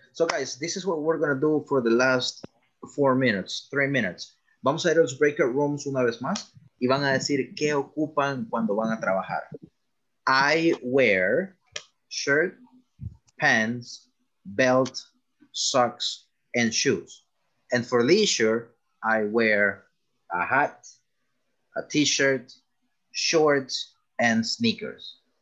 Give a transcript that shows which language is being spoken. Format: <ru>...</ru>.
<en>So guys, this is what we're going to do for the last 4 minutes, 3 minutes.</en> <es>Vamos a ir a los breakout rooms una vez más y van a decir qué ocupan cuando van a trabajar.</es> <en>I wear shirt, pants, belt, socks, and shoes. And for leisure, I wear a hat, a t-shirt, shorts, and sneakers.</en>